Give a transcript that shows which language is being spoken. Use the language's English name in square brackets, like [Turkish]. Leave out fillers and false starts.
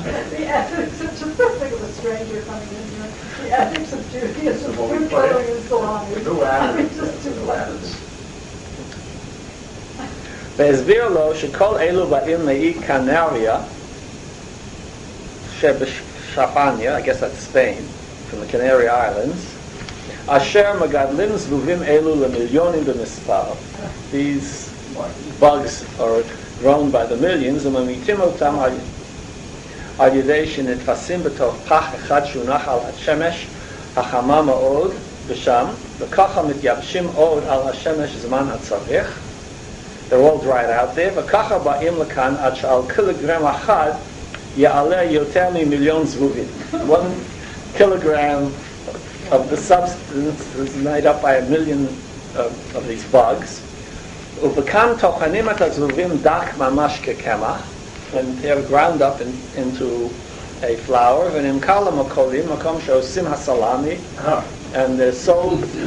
[English] The ethics, it's a good thing of a stranger coming in here. The ethics of Judaism, food coloring and salami. New ad. I mean, just two letters. [Hebrew] והסביר לו שכל אלו באים מאי קנריה שבשפניה, [English] I guess that's Spain, from the Canary Islands, [Hebrew] אשר מגדלים זבובים אלו למיליונים במספר. [English] These bugs are grown by the millions, [Hebrew] וממיתים אותם על ידי שנתפסים בתוך פח אחד שונח על השמש החמה מאוד בשם, וככה מתייבשים עוד על השמש זמן הצריך. [English] They're all dried out there. [Hebrew] וככה באים לכאן עד שעל קילוגרם אחד יעלה יותר ממיליון זבובים. [English] One kilogram of the substance is made up by a million of these bugs. [Hebrew] ובכאן טוחנים את הזבובים דק ממש כקמח, [English] and they're ground up into a flour, [Hebrew] ונמכר למקולים, מקום שעושים הסלמי, [English] and they're sold.